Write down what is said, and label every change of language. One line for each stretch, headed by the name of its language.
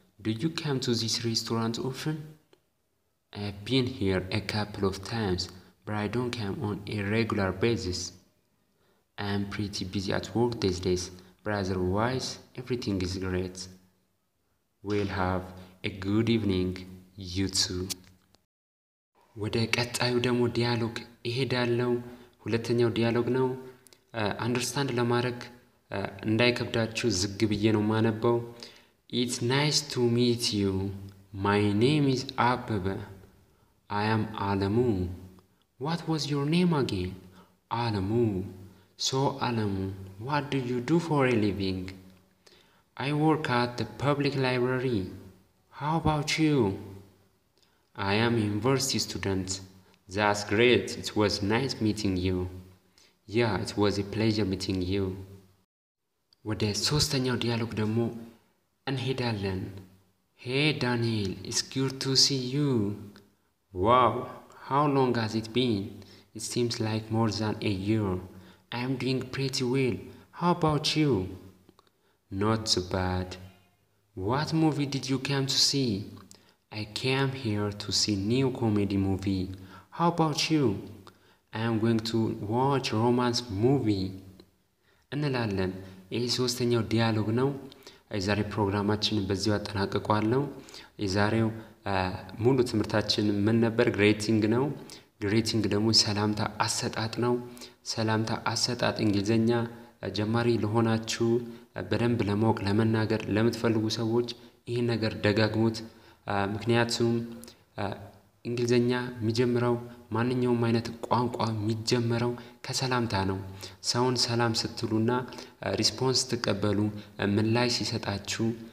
English: Do you come to this restaurant often? I've been here a couple of times, but I don't come on a regular basis. I'm pretty busy at work these days, but otherwise everything is great. We'll have a good evening, you too.
Amharic: ወደ ቀጣዩ ደግሞ ዲያሎግ እሄዳለሁ። ሁለተኛው ዲያሎግ ነው። አንደርስታንድ ለማድረግ እንዳይከብዳችሁ ዝግ ብዬ ነው ማነበው።
English: It's nice to meet you. My name is Abebe. I am Alamu. What was your name again? Alamu. So Alamu, what do you do for a living? I work at the public library. How about you? I am a university student. That's great. It was nice meeting you. Yeah, it was a pleasure meeting you.
Amharic: ወደ ሶስተኛው ዲያሎግ ደግሞ እንሄዳለን።
English: Hey Daniel, it's good to see you. Wow, how long has it been? It seems like more than a year. I'm doing pretty well. How about you? Not so bad. What movie did you come to see? I came here to see new comedy movie. How about you? I'm going to watch romance movie.
Amharic: እንላለን። ይህ ሶስተኛው ዲያሎግ ነው። የዛሬ ፕሮግራማችን በዚሁ አጠናቅቋለሁ። የዛሬው ሙሉ ትምህርታችን ምን ነበር? ግሬቲንግ ነው። ግሬቲንግ ደግሞ ሰላምታ አሰጣጥ ነው። ሰላምታ አሰጣጥ እንግሊዘኛ ጀማሪ ለሆናችሁ፣ በደንብ ለማወቅ ለመናገር ለምትፈልጉ ሰዎች ይህን ነገር ደጋግሙት። ምክንያቱም እንግሊዘኛ የሚጀምረው ማንኛውም አይነት ቋንቋ የሚጀመረው ከሰላምታ ነው። ሰውን ሰላም ስትሉና ሪስፖንስ ስትቀበሉ ምላሽ ሲሰጣችሁ